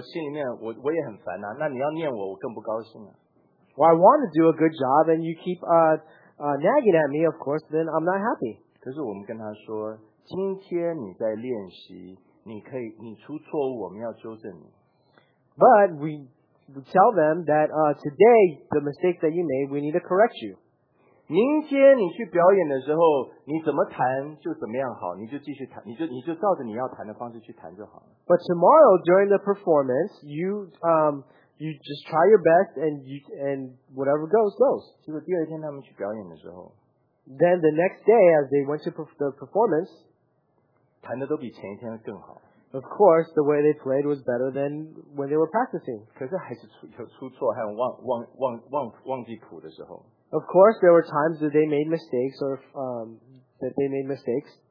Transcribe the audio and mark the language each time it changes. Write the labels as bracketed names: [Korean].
[Chinese] 我想要弹得好，可是我就出错，我心里面我也很烦呐。那你要念我，我更不高兴了。 [English] Well, I want to do a good job, and you keep nagging at me, of course, then I'm not happy. [Chinese] 可是我们跟他说, 今天你在练习, 你可以, 你出错, 我们要纠正你。 [English] But we tell them that today, the mistake that you made, we need to correct you. [Chinese] 明天你去表演的时候, 你怎么弹就怎么样好, 你就继续弹, 你就照着你要弹的方式去弹就好了。 [English] But tomorrow, during the performance, you just try your best, and whatever goes, goes. [Chinese] 结果第二天他们去表演的时候, [English] then the next day, as they went to the performance, [Chinese] 弹得都比前一天更好。 [English] Of course, the way they played was better than when they were practicing. [Chinese] 可是还是有出错和忘记谱的时候。 [English] Of course, there were times that they made mistakes, or that they made mistakes.